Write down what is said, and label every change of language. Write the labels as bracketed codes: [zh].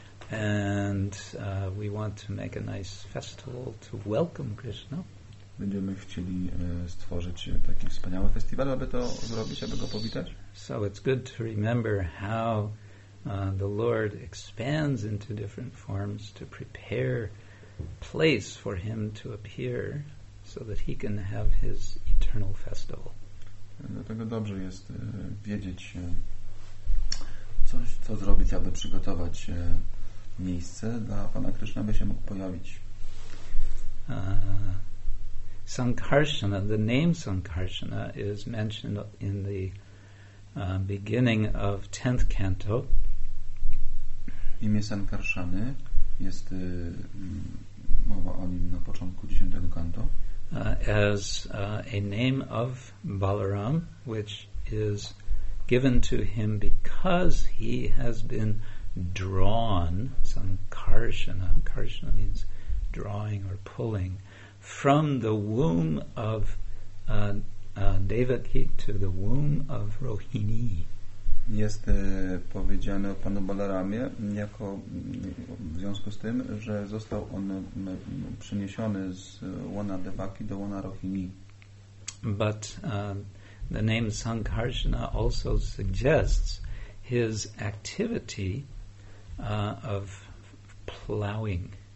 [en] And we want to make a nice festival to welcome Krishna. [pl] Będziemy chcieli stworzyć taki wspaniały festiwal, aby to zrobić, aby go powitać. [en] So it's good to remember how the Lord expands into different forms to prepare place for him to appear so that he can have his eternal festival. [pl] Dlatego dobrze jest wiedzieć, co zrobić, aby przygotować miejsce dla Pana Krishna, by się mógł pojawić. [en] Sankarsana, the name Sankarsana is mentioned in the beginning of 10th canto. [pl] Imię Sankarsany jest mowa o nim na początku [en] 10th canto. As a name of Balaram, which is given to him because he has been drawn, Sankarsana, Karsana means drawing or pulling, from the womb of Devaki to the womb of Rohini. [pl] Jest powiedziane o panu Balaramie jako w związku z tym, że został on przeniesiony z łona Devaki do łona Rohini. [en] But the name Sankarsana also suggests his activity of plowing.